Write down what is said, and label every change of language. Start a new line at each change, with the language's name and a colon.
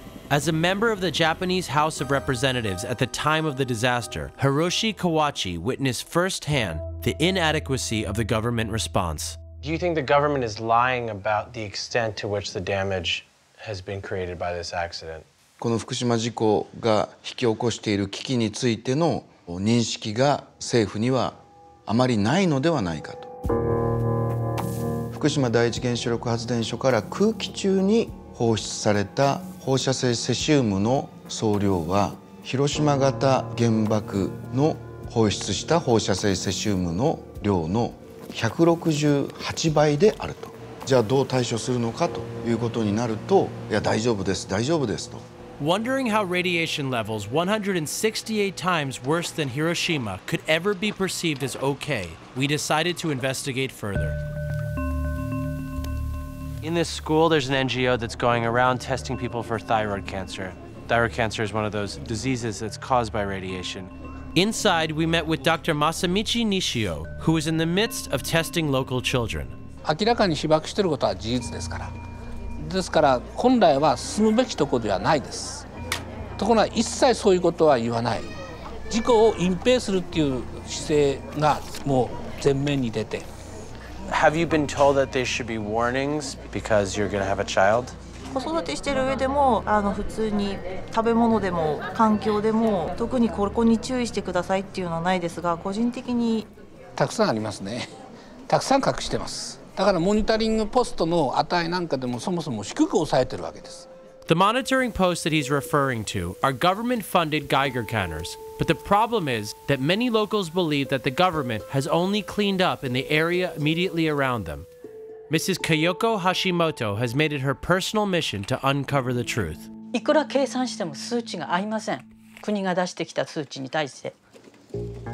English: As a member of the Japanese House of Representatives at the time of the disaster, Hiroshi Kawachi witnessed firsthand the inadequacy of the government response. Do you think the government is lying about the extent to which the damage has been created by this accident?
Japanese: この福島事故が引き起こしている危機についての認識が政府にはあまりないのではないかと。福島第一原子力発電所から空気中に放出された放射性セシウムの総量は広島型原爆の放出した放射性セシウムの量の168倍であると。じゃあどう対処するのかということになると、いや大丈夫です、大丈夫ですと。
English: Wondering how radiation levels 168 times worse than Hiroshima could ever be perceived as okay, we decided to investigate further. In this school, there's an NGO that's going around testing people for thyroid cancer. Thyroid cancer is one of those diseases that's caused by radiation. Inside, we met with Dr. Masamichi Nishio, who is in the midst of testing local children.
Japanese: 明らかに被爆していることは事実ですから。ですから本来は住むべきところではないです。ところが一切そういうことは言わない。事故を隠蔽するっていう姿勢がもう前面に出て。
English: Have you been told that there should be warnings because you're going to have a child?
Japanese: 子育てしてる上でも普通に食べ物でも環境でも特にここに注意してくださいっていうのはないですが、個人的にたくさんありますね。たくさん隠してます。だからモニタリングポストの値なんかでもそもそも低く抑えてるわけです。
English: The monitoring posts that he's referring to are government-funded Geiger counters. But the problem is that many locals believe that the government has only cleaned up in the area immediately around them. Mrs. Kayoko Hashimoto has made it her personal mission to uncover the truth.
Japanese: いくら計算しても数値が合いません。国が出してきた数値に対して。